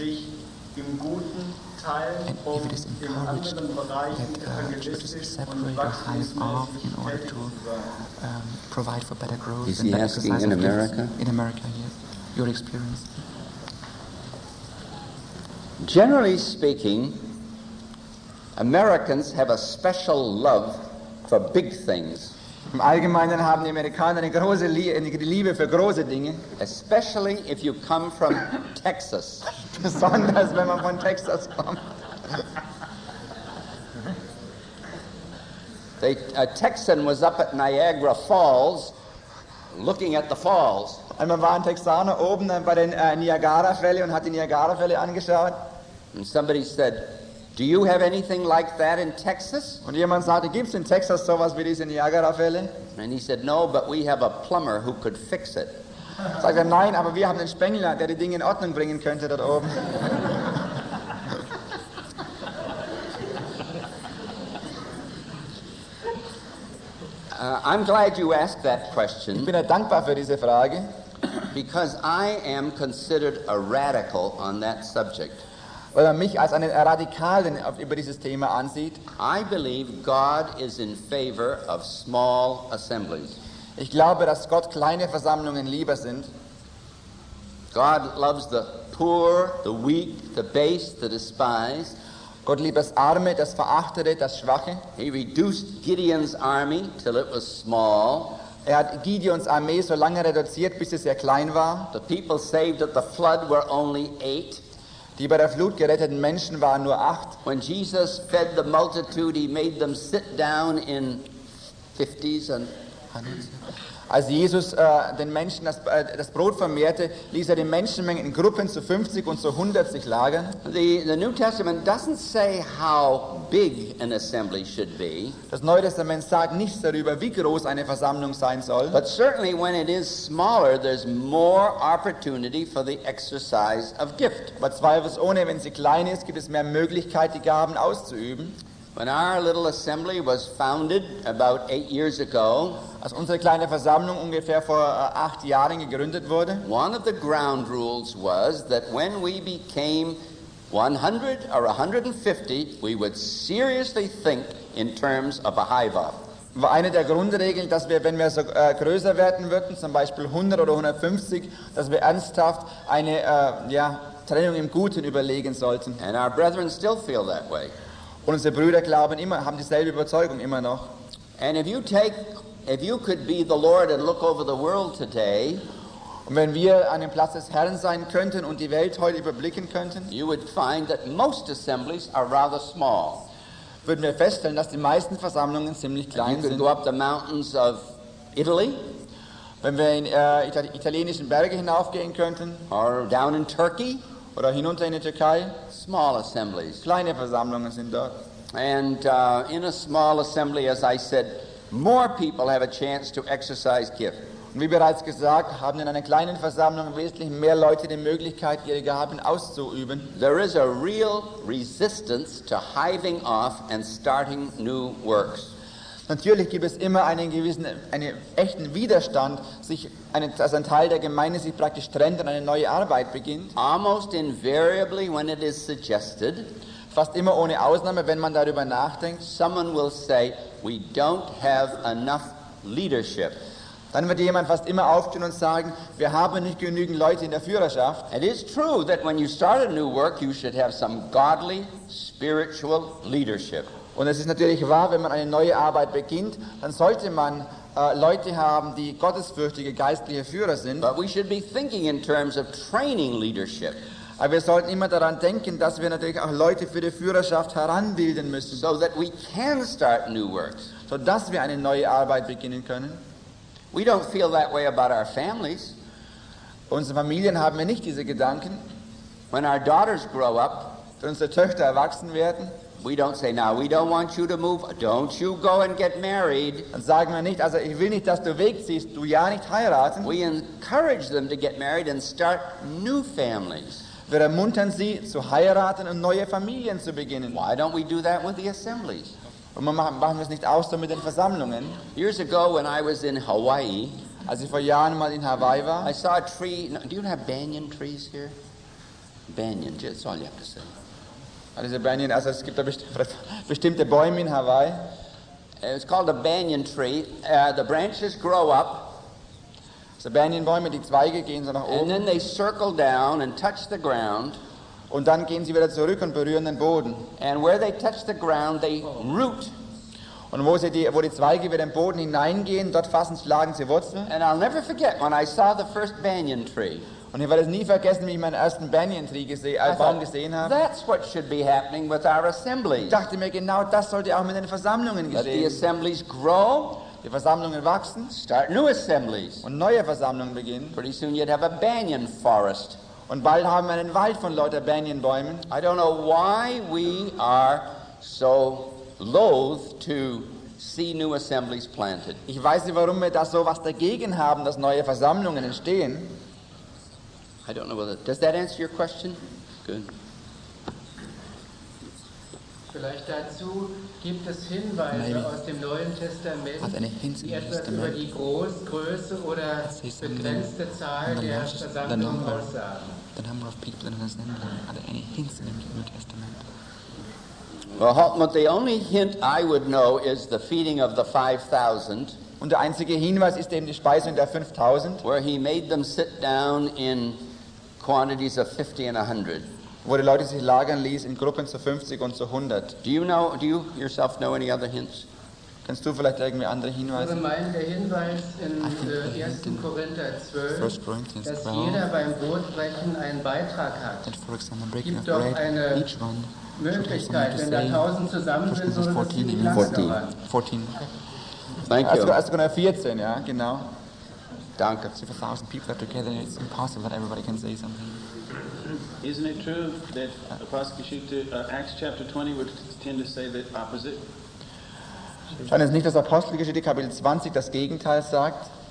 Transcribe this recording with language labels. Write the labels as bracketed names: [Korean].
[English] And if it is encouraged that churches be separated or hive off in order to provide for better growth? Is he asking in America? In America, yes. Your experience? Generally speaking, Americans have a special love for big things. [German] Im Allgemeinen haben die Amerikaner eine große Liebe für große Dinge. [English] Especially if you come from Texas. [German] Besonders wenn man von Texas kommt. [English] A Texan was up at Niagara Falls looking at the falls. [German] Und man war ein Texaner oben bei den Niagara-Fälle und hat die Niagara-Fälle angeschaut. [English] And somebody said, "Do you have anything like that in Texas?" [German] Und jemand sagte, gibt's in Texas sowas wie diese Niagara-Fälle? [English] And he said, "No, but we have a plumber who could fix it." [German] Sagt er, nein, aber wir haben einen Spengler, der die Dinge in Ordnung bringen könnte dort oben. [English] I'm glad you asked that question. [German] Ich bin dankbar für diese Frage. [English] Because I am considered a radical on that subject. [German] Weil er mich als einen Radikalen über dieses Thema ansieht. [English] I believe God is in favor of small assemblies. [German] Ich glaube, dass Gott kleine Versammlungen lieber sind. [English] God loves the poor, the weak, the base, the despised. [German] Gott liebt das Arme, das Verachtete, das Schwache. [English] He reduced Gideon's army till it was small. [German] Er hat Gideons Armee so lange reduziert, bis sie sehr klein war. [English] The people saved at the flood were only 8. [German] Die bei der Flut geretteten Menschen waren nur 8. [English] When Jesus fed the multitude, he made them sit down in 50s and 100s. [German] Als Jesus den Menschen das Brot vermehrte, ließ er die Menschenmengen in Gruppen zu 50 und zu 100 sich lagern. [English] The New Testament doesn't say how big an assembly should be. [German] Das Neue Testament sagt nichts darüber, wie groß eine Versammlung sein soll. [English] But certainly when it is smaller, there's more opportunity for the exercise of gift. [German] Aber zweifelsohne, wenn sie klein ist, gibt es mehr Möglichkeit, die Gaben auszuüben. [English] When our little assembly was founded about 8 years ago, [German] als unsere kleine Versammlung ungefähr vor 8 Jahren gegründet wurde, [English] one of the ground rules was that when we became 100 or 150, we would seriously think in terms of a hiva. [German] War eine der Grundregeln, dass wir, wenn wir so größer werden würden, zum Beispiel 100 oder 150, dass wir ernsthaft eine Trennung im Guten überlegen sollten. [English] And our brethren still feel that way. [German] Und unsere Brüder glauben immer, haben dieselbe Überzeugung immer noch. [English] And if you take, if you could be the Lord and look over the world today, [German] und wenn wir an dem Platz des Herrn sein könnten und die Welt heute überblicken könnten, [English] you would find that most assemblies are rather small. [German] Würden wir feststellen, dass die meisten Versammlungen ziemlich klein sind. [English] You could go up the mountains of Italy, [German] wenn wir in italienischen Berge hinaufgehen könnten, [English] or down in Turkey, [German] oder hinunter in die Türkei. [English] Small assemblies. [German] Kleine Versammlungen sind dort. [English] And in a small assembly, as I said, more people have a chance to exercise gift. [German] Wie bereits gesagt, haben in einer kleinen Versammlung wesentlich mehr Leute die Möglichkeit, ihre Gaben auszuüben. [English] There is a real resistance to hiving off and starting new works. [German] Natürlich gibt es immer einen echten Widerstand, dass ein Teil der Gemeinde sich praktisch trennt und eine neue Arbeit beginnt. [English] Almost invariably when it is suggested, [German] fast immer ohne Ausnahme, wenn man darüber nachdenkt, [English] someone will say, we don't have enough leadership. [German] Dann wird jemand fast immer aufstehen und sagen, wir haben nicht genügend Leute in der Führerschaft. [English] It is true that when you start a new work, you should have some godly, spiritual leadership. [German] Und es ist natürlich wahr, wenn man eine neue Arbeit beginnt, dann sollte man Leute haben, die gottesfürchtige geistliche Führer sind. [English] But we should be thinking in terms of training leadership. [German] Aber wir sollten immer daran denken, dass wir natürlich auch Leute für die Führerschaft heranbilden müssen. [English] So that we can start new works. [German] So dass wir eine neue Arbeit beginnen können. [English] We don't feel that way about our families. [German] Unsere Familien haben wir nicht diese Gedanken. [English] When our daughters grow up, [German] wenn unsere Töchter erwachsen werden, [English] we don't say, now we don't want you to move, don't you go and get married. [German] Dann sagen wir nicht, also ich will nicht, dass du wegziehst, du ja nicht heiraten. [English] We encourage them to get married and start new families. [German] Wir ermuntern sie zu heiraten und neue Familien zu beginnen. [English] Why don't we do that with the assemblies? [German] Und machen wir es nicht auch so mit den Versammlungen? [English] Years ago when I was in Hawaii, [German] als ich vor Jahren mal in Hawaii war, [English] I saw a tree. Do you have banyan trees here? Banyan, that's all you have to say. [German] Also banyan, also es gibt da bestimmte Bäume in Hawaii. [English] It's called a banyan tree. The branches grow up. [German] So Banyan-Bäume, die Zweige gehen so nach oben. [English] And then they circle down and touch the ground. [German] Und dann gehen sie wieder zurück und berühren den Boden. [English] And where they touch the ground, they root. [German] Und wo die Zweige wieder in den Boden hineingehen, dort fassen, schlagen sie Wurzeln. [English] And I'll never forget when I saw the first banyan tree. [German] Und ich werde es nie vergessen, wie ich meinen ersten Banyan-Tree Baum gesehen habe. [English] That's what should be happening with our assemblies. [German] Ich dachte mir, genau das sollte auch mit den Versammlungen geschehen. [English] Let the assemblies grow. [German] Die Versammlungen wachsen. [English] Start new assemblies. [German] Und neue Versammlungen beginnen. [English] Pretty soon you'd have a banyan forest. [German] Und bald haben wir einen Wald von lauter Banyan-Bäumen. [English] I don't know why we are so loath to see new assemblies planted. [German] Ich weiß nicht, warum wir da so was dagegen haben, dass neue Versammlungen entstehen. [English] I don't know whether... Does that answer your question? Good. [German] Vielleicht dazu gibt es Hinweise [English] Maybe. [German] Aus dem Neuen Testament, die etwas über die Größe oder begrenzte Zahl der Versammlungen aussagen. [English] The number of people in an assembly. Are there any hints in the New Testament? Well, Hartmut, the only hint I would know is the feeding of the 5,000. [German] Und der einzige Hinweis ist eben die Speisung der 5000. [English] Where he made them sit down in quantities of 50 and 100. [German] Wo die Leute sich lagern ließ in Gruppen zu 50 und zu 100. [English] Do you yourself know any other hints? [German] Kannst du vielleicht irgendwie andere Hinweise? Ich würde meinen, der Hinweis in 1. Korinther 12, [English] First Corinthians 12, [German] dass jeder beim Brotbrechen einen Beitrag hat. [English] For example, breaking [German] gibt doch [English] bread, [German] eine [English] each one [German] Möglichkeit, wenn da 1000 zusammen sind, so 14, dass sie die 14. 14. [English] Thank you. [German] Also genau 14, ja, genau. Danke. [English] So if 1000 people are together, it's impossible that everybody can say something. Isn't it true that Apostelgeschichte, Acts chapter 20 would tend to say the opposite? [German] Scheint es nicht, dass Apostelgeschichte Kapitel 20 das Gegenteil sagt?